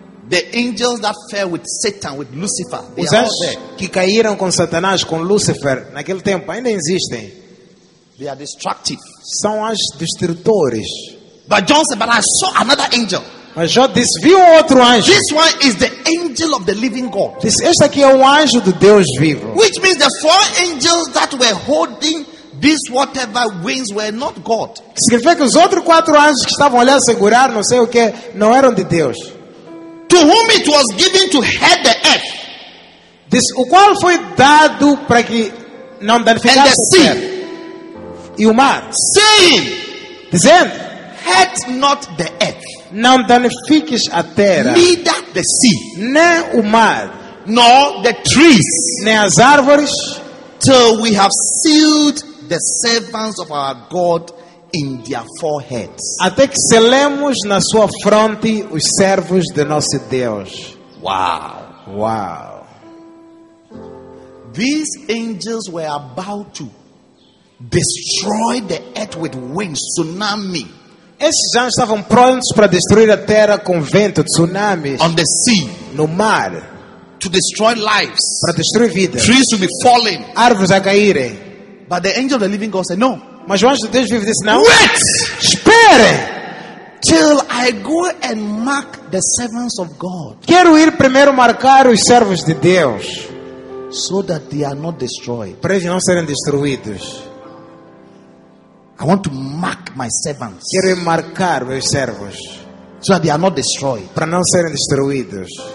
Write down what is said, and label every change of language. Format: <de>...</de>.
<en>The angels that fell with Satan, with Lucifer, they</en> <pt>os anjos que caíram com Satanás, com Lucifer, naquele tempo ainda existem.</pt> <en>They are destructive.</en> <pt>São anjos destrutores.</pt> <en>But John said, but I saw another angel.</en> <pt>Mas já disse, vi um outro anjo.</pt> <en>This one is the angel of the living God.</en> <pt>Este aqui é o anjo do Deus vivo.</pt> <en>Which means the four angels that were holding this whatever wings were not God.</en> <pt>Significa que os outros quatro anjos que estavam ali a segurar, não sei o que, não eram de Deus.</pt> <en>To whom it was given to head the earth.</en> <pt>This, o qual foi dado para que não danificasse</pt> <en>the sea.</en> <pt>E o mar.</pt> <en>Saying,</en> <pt>dizendo,</pt> <en>head not the earth.</en> <pt>Não danifiques a terra.</pt> <en>Neither the sea.</en> <pt>Nem o mar.</pt> <en>Nor the trees.</en> <pt>Nem as árvores.</pt> <en>Till we have sealed the servants of our God in their foreheads.</en> <pt>Até que selemos na sua fronte os servos de nosso Deus. Wow. Wow.</pt> <en>These angels were about to destroy the earth with winds, tsunami.</en> <pt>Esses anjos estavam prontos para destruir a terra com vento, tsunamis.</pt> <en>On the sea.</en> <pt>No mar.</pt> <en>To destroy lives.</en> <pt>Para destruir vida.</pt> <en>Trees will be falling.</en> <pt>Árvores a caírem.</pt> <en>But the angel of the living God said, no.</en> <pt>Mas o anjo de Deus vive disse, não.</pt> <en>Wait!</en> <pt>Espere!</pt> <en>Till I go and mark the servants of God.</en> <pt>Quero ir primeiro marcar os servos de Deus.</pt> <en>So that they are not destroyed.</en> <pt>Para eles não serem destruídos.</pt> <en>I want to mark my servants.</en> <pt>Quero marcar meus servos.</pt> <en>So that they are not destroyed.</en> <pt>Para não serem destruídos.</pt>